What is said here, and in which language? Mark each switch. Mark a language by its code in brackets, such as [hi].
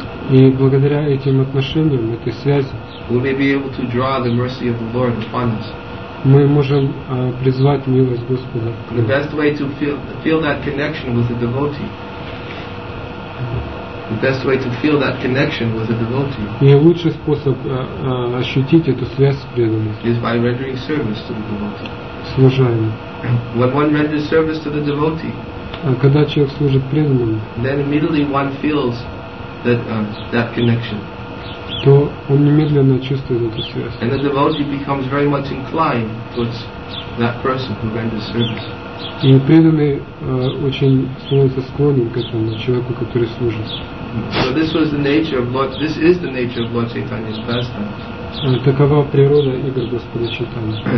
[ru] И благодаря этим отношениям, этой связи, [en] we may be able to draw the mercy of the Lord upon us. [ru] Мы можем призвать милость Господа. [en] The best way to feel that connection with a devotee. The best way to feel that connection with a devotee. [ru] И лучший способ ощутить эту связь с преданным. [en] Is by rendering service to the devotee. [ru] Служа ему. [en] When one renders service to the devotee. [ru] Когда человек служит преданному. [en] Then immediately one feels that connection. [ru] То он немедленно чувствует эту связь. [en] And the devotee becomes very much inclined towards that person who renders service. [ru] И преданный очень становится склонен к этому человеку, который служит. [en] So this was the nature of Lord. This is the nature of Lord Chaitanya's pastime. [ru] Такова природа игр Господа Чайтаньи.